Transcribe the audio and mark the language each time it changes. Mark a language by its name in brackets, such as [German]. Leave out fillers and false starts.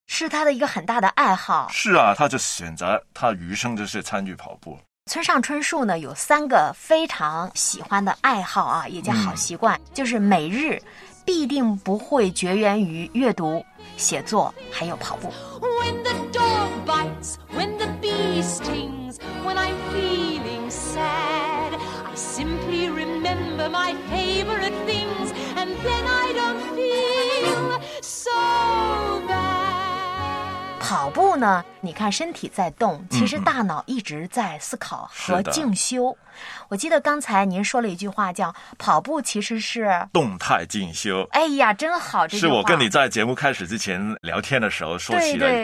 [Chinese] 是他的一个很大的爱好。是啊，他就选择他余生就是参与跑步。村上春树呢有3个非常喜欢的爱好啊，也叫好习惯，就是每日必定不会绝缘于阅读、写作还有跑步。 [English] When the dog bites, when the bee stings, when I'm feeling sad, I simply remember my favorite things, and then I don't feel so bad. [Chinese] 跑步呢，你看身体在动，其实大脑一直在思考和静修。我记得刚才您说了一句话，叫跑步其实是动态静修。哎呀，真好，这是我跟你在节目开始之前聊天的时候说起的。